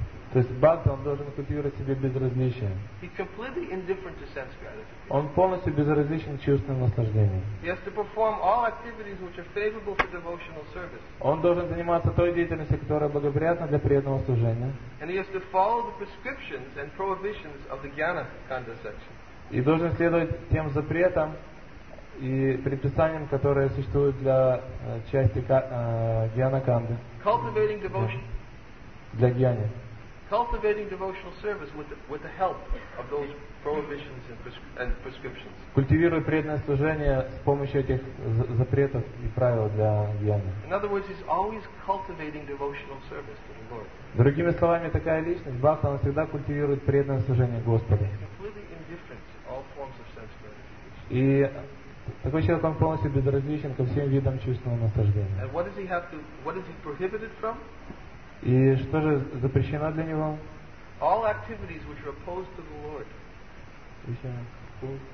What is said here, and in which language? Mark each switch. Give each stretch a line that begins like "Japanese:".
Russian: то есть бхакта, он должен культивировать себе безразличие.
English: He's completely indifferent to sense gratification.
Russian: Он полностью безразличен к чувственным наслаждениям.
English: He has to perform all activities which are favorable for devotional service.
Russian: Он должен заниматься той деятельностью, которая благоприятна для преданного служения.
English: And he has to follow the prescriptions and prohibitions of the Jnana Kanda section.
Russian: И должен следовать тем запретам и предписаниям, которые существуют для части Jnana Kanda.
English: Cultivating devotion.
Russian: Для гьяни.
English: Cultivating devotional service with the help of those prohibitions and prescriptions.
Russian: Культивируя преданное служение с помощью этих запретов и правил для гьяни.
English: In other words, he's always cultivating devotional service to the Lord.
Russian: Другими словами, такая личность Бхакта, она всегда культивирует преданное служение Господу.
English: He's completely indifferent to all forms of sense gratification.
Russian: И такой человек, он полностью безразличен ко всем видам чувственного наслаждения.
English: And what is he prohibited from?
Russian: И что же запрещено для него?
English: All activities which are opposed to the Lord.